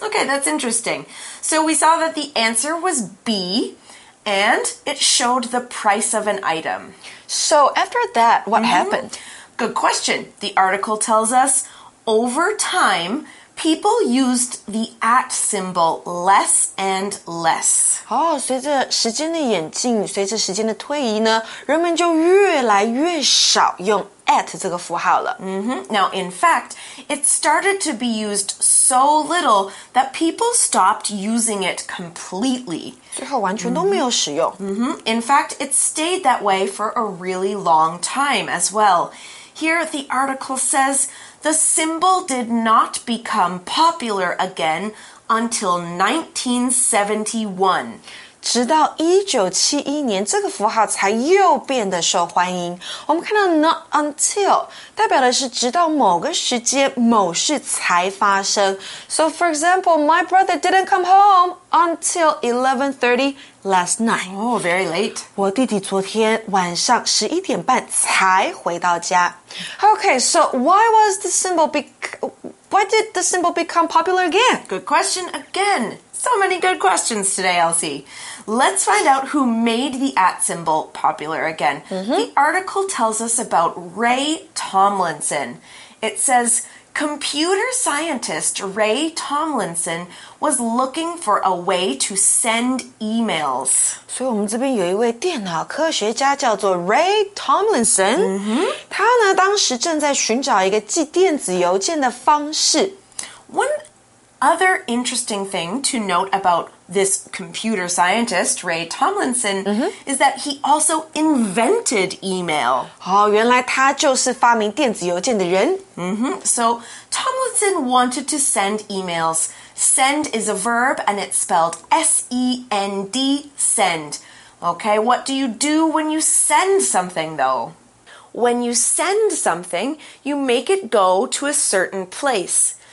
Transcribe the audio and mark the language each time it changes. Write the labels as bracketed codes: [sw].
[en] Okay, that's interesting. So we saw that the answer was B, And it showed the price of an item. So after that, what happened? Good question. The article tells us, over time, people used the at symbol less and less. [zh] 随着时间的演进，随着时间的推移呢，人们就越来越少用 at 这个符号了。 [en] Now, in fact, it started to be used so little that people stopped using it completely. [zh] 最后完全都没有使用。 [en] In fact, it stayed that way for a really long time as well. Here, the article says... The symbol did not become popular again until 1971. [zh] 直到1971年，这个符号才又变得受欢迎。我们看到 [en] not until [zh] 代表的是直到某个时间某事才发生。 [en] So for example, my brother didn't come home until 11:30 last night. Oh, very late. [zh] 我弟弟昨天晚上11点半才回到家。 [en] Okay, so why did the symbol become popular again? Good question again. So many good questions today, Elsie. Let's find out who made the at symbol popular again. The article tells us about Ray Tomlinson. It says, computer scientist Ray Tomlinson was looking for a way to send emails. [zh] 所以我们这边有一位电脑科学家叫做 Ray Tomlinson. 他呢当时正在寻找一个寄电子邮件的方式。 [en] One other interesting thing to note about this computer scientist, Ray Tomlinson, is that he also invented email. [zh] 哦，原来他就是发明电子邮件的人。 [en] So, Tomlinson wanted to send emails. Send is a verb, and it's spelled S-E-N-D, send. Okay, what do you do when you send something, though? When you send something, you make it go to a certain place.